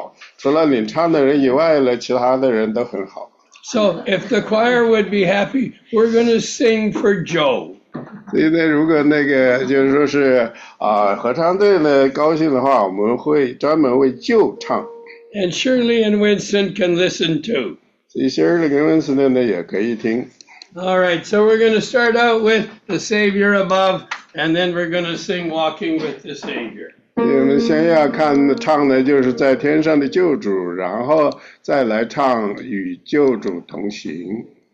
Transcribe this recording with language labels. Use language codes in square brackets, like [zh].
[zh] 所以呢，我们这个合唱队呢，星期二的不是那么专业，也不是那么好。原因是呢，我们领唱的人不大好。除了领唱的人以外呢，其他的人都很好。 [en] So if the choir would be happy, we're going to sing for Joe. [zh] 所以呢，如果那个就是说是合唱队呢高兴的话，我们会专门为Joe唱。 [en] And Shirley and Winston can listen too. [zh] 所以Shirley跟Winston呢也可以听。 [en] All right, so we're going to start out with the Savior above, and then we're going to sing Walking with the Savior. [zh] 我们先要看唱的就是在天上的救主，然后再来唱与救主同行。